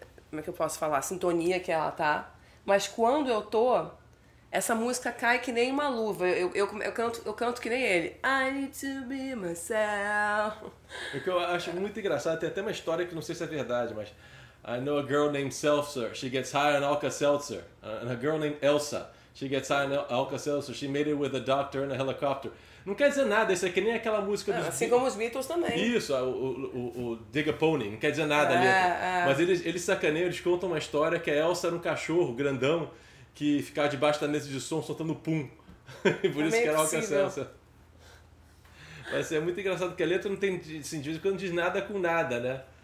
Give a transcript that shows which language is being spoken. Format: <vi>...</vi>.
<pt>como é que eu posso falar? Sintonia que ela tá. Mas quando eu tô, essa música cai que nem uma luva. Eu canto que nem ele.</pt> <en>I need to be myself.</en> <pt>O que eu acho muito engraçado, tem até uma história que não sei se é verdade, mas</pt> <en>I know a girl named Seltzer, she gets high on Alka-Seltzer. And a girl named Elsa, She gets high on Alka-Seltzer, she made it with a doctor in a helicopter.</en> <pt>Não quer dizer nada, isso é que nem aquela música dos... Assim como os Beatles também. Isso, o Dig a Pony, não quer dizer nada ali. Mas eles sacaneiam, eles contam uma história que a Elsa era um cachorro grandão que ficava debaixo da mesa de som soltando pum. E por isso que era Alka-Seltzer. Mas assim, é muito engraçado que a letra não tem sentido quando diz nada com nada, né?</pt>